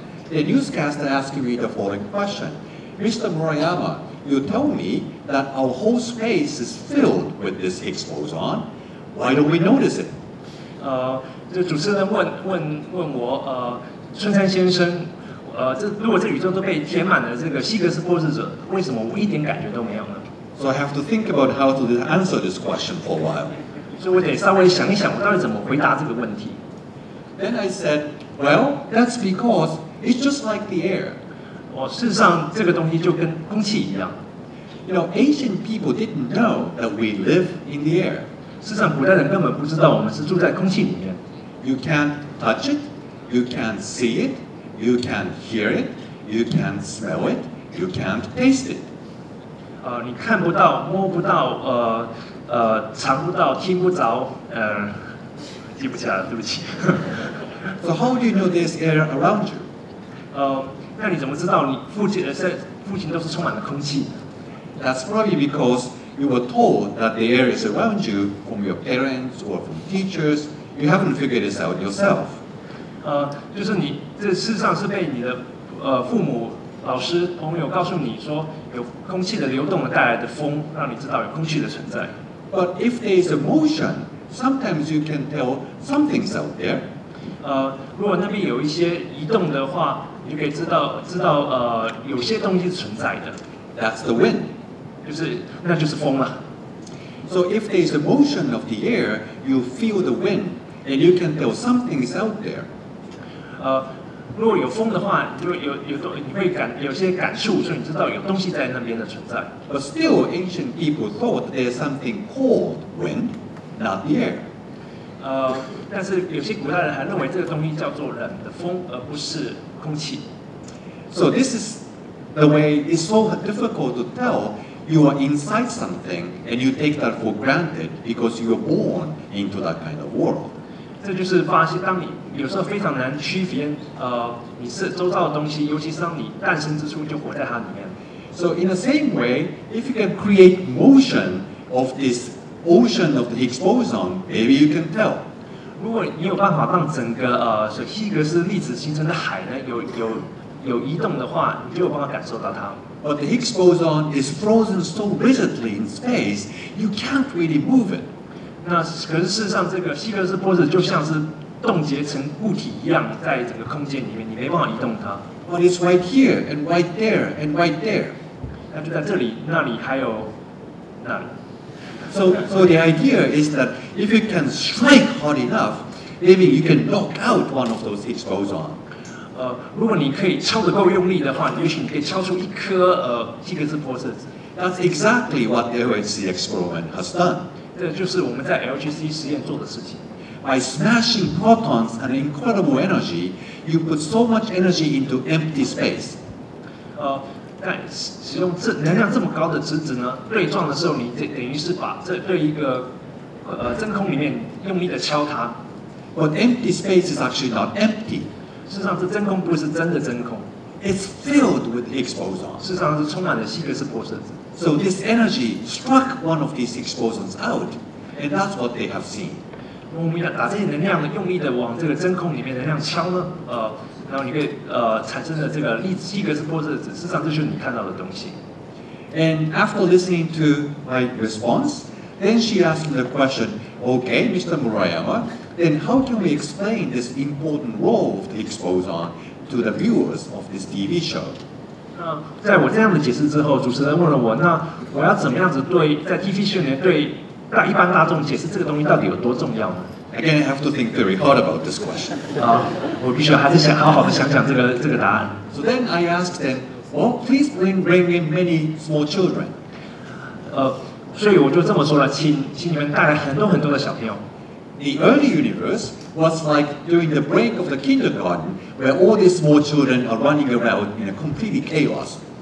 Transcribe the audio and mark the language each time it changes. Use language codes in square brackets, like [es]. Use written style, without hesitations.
[en] The newscast asked me the following question, Mr. Murayama, you tell me that our whole space is filled with this Higgs boson. Why don't we notice it? [zh] 这主持人问我，春山先生，如果这宇宙都被填满了这个希格斯波士子，为什么我一点感觉都没有呢？ [en] So I have to think about how to answer this question for a while. [zh] 所以我得稍微想一想，我到底怎么回答这个问题。 [en] Then I said, well, that's because it's just like the air. [zh] 事实上这个东西就跟空气一样。 [en] You know, ancient people didn't know that we live in the air. [zh] 事实上古代人根本不知道我们是住在空气里面。 [en] You can't touch it, you can't see it, you can't hear it, you can't smell it, you can't taste it. [zh] 你看不到，摸不到，尝不到，听不着，记不起来了，对不起。 [en] So how do you know there's air around you? [zh] 那你怎么知道你附近都是充满了空气？ [en] That's probably because you were told that the air is around you from your parents or from teachers. You haven't figured this out yourself. [zh] 就是你这事实上是被你的父母、老师、朋友告诉你说有空气的流动带来的风，让你知道有空气的存在。 [en] But if there is a motion, sometimes you can tell something's out there. [zh] 如果那边有一些移动的话，你就可以知道有些东西是存在的。 [en] That's the wind. [zh] 那就是风了。 [en] So if there is a motion of the air, you feel the wind, and you can tell something is out there. [zh] 如果有风的话，你会有些感触，所以你知道有东西在那边的存在。 [en] But still, ancient people thought there's something called wind, not the air. [zh] 但是有些古代人还认为这个东西叫做冷的风，而不是空气。 [en] So this is the way it's so difficult to tell you are inside something and you take that for granted because you were born into that kind of world. [zh] 这就是发现，当你有时候非常难区分，你是周遭的东西，尤其是当你诞生之初就活在它里面。 [en] So in the same way, if you can create motion of this ocean of the Higgs boson, maybe you can tell. [zh] 如果你有办法让整个希格斯粒子形成的海呢有移动的话，你就有办法感受到它。 [en] But the Higgs boson is frozen so rigidly in space, you can't really move it. [zh] 那可是事实上，这个希格斯波子就像是冻结成固体一样，在整个空间里面，你没办法移动它。 [en] But it's right here and right there and right there. [zh] 那就在这里、那里还有那里。 [en] So the idea is that if you can strike hard enough, maybe you can knock out one of those Higgs boson. [zh] 如果你可以敲得够用力的话，也许你可以敲出一颗希格斯波色子。 [en] That's exactly what the LHC experiment has done. [zh] 这就是我们在 LHC 实验做的事情。 [en] By smashing protons at incredible energy, you put so much energy into empty space. [zh] 但使用这能量这么高的质子呢，对撞的时候，你等于是把这对一个真空里面用力的敲它。 [en] But empty space is actually not empty. [zh] 事实上，这真空不是真的真空。 [en] It's filled with Higgs boson. [zh] 事实上是充满了希格斯波色子。 [en] So this energy struck one of these Higgs bosons out, and that's what they have seen. [zh] 我们要把这些能量用力的往这个真空里面能量敲呢，然后你可以产生的这个希格斯波色子，事实上这就是你看到的东西。 [en] And after listening to my response, then she asked me the question, "Okay, Mr. Murayama, then how can we explain this important role of the Higgs boson to the viewers of this TV show?" [zh] 在我这样的解释之后，主持人问了我，那我要怎么样子对在 TV show 里面对一般大众解释这个东西到底有多重要呢？ [en] Again, I have to think very hard about this question. [zh] 我必须还是想好好的想想这个答案。 [en] So then I asked them, "Well, please bring in many small children." [zh] 所以我就这么说了，请你们带来很多很多的小朋友。 [en] The early universe was like during the break of the kindergarten, where all these small children are running around in a completely chaos.